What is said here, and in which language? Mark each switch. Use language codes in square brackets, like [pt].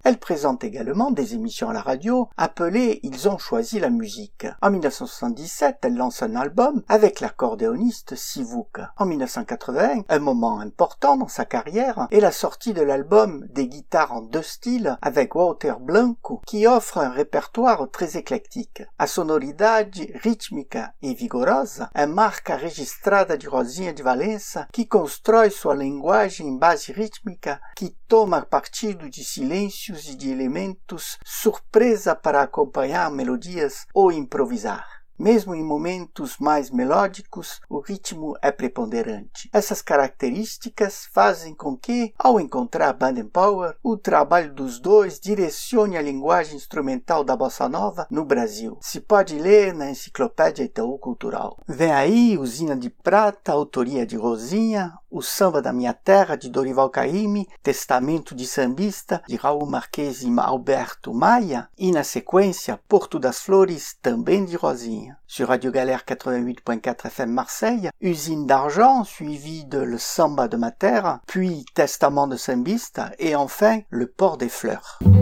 [fr] Elle présente également des émissions à la radio appelées « Ils ont choisi la musique ». En 1977, elle lance un album avec l'accordéoniste Sivuca. En 1980, un moment important dans sa carrière est la sortie de l'album des guitares en deux styles avec Walter Blanco, qui offre un répertoire très éclectique. [pt] A sonoridade rítmica e vigorosa é marca registrada de Rosinha de Valença, que constrói sua linguagem em base rítmica que toma partido de silêncios e de elementos surpresa para acompanhar melodias ou improvisar. Mesmo em momentos mais melódicos, o ritmo é preponderante. Essas características fazem com que, ao encontrar Band & Power, o trabalho dos dois direcione a linguagem instrumental da bossa nova no Brasil. Se pode ler na Enciclopédia Itaú Cultural. Vem aí Usina de Prata, autoria de Rosinha, O Samba da Minha Terra, de Dorival Caymmi, Testamento de Sambista, de Raul Marques e Alberto Maia, e na sequência, Porto das Flores, também de Rosinha. [fr] Sur Radio Galère 88.4 FM Marseille, Usine d'Argent, suivi de Le Samba de Ma Terre, puis Testament de Sambista, et enfin, Le Port des Fleurs.